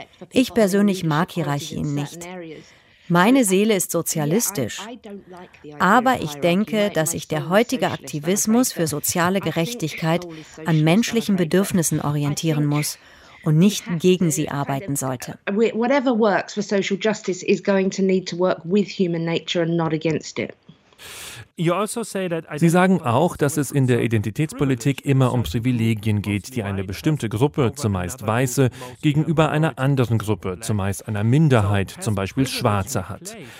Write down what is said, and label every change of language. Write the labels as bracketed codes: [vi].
[de] Ich persönlich mag Hierarchien nicht. Meine Seele ist sozialistisch, aber ich denke, dass sich der heutige Aktivismus für soziale Gerechtigkeit an menschlichen Bedürfnissen orientieren muss und nicht gegen sie arbeiten sollte. [en] Whatever works for social justice is going to need to work with human nature and not against it. [de] Sie sagen auch, dass es in der Identitätspolitik immer um Privilegien geht, die eine bestimmte Gruppe, zumeist Weiße, gegenüber einer anderen Gruppe, zumeist einer Minderheit, zum Beispiel Schwarze, hat.